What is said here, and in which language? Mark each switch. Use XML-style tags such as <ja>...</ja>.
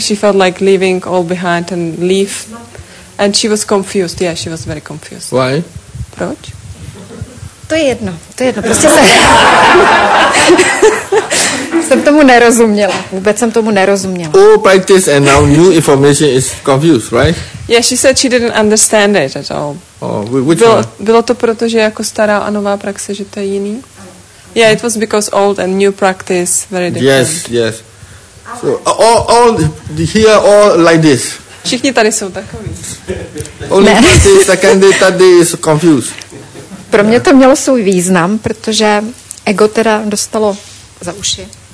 <en>She felt like leaving all behind and leave, and she was confused. Yeah, she was very confused. Why?</en> <cs>Proč? To je jedno. Prostě se jsem tomu nerozuměla. Vůbec jsem tomu nerozuměla.</cs> <en>Oh, practice and now new information is confused, right? Yeah, she said she didn't understand it at all. Oh, which</en> <cs>bylo,</cs> <en>one?</en> <cs>Bylo to proto, že jako stará a nová praxe, že to je jiný?</cs> <en>Yeah, it was because old and new practice, very different. Yes, yes. So, all here, all like this.</en> <cs>Všichni tady jsou takový.</cs> <en>Only practice, second day, third day is confused.</en> <cs>Pro mě to mělo svůj význam, protože ego teda dostalo za uši.</cs>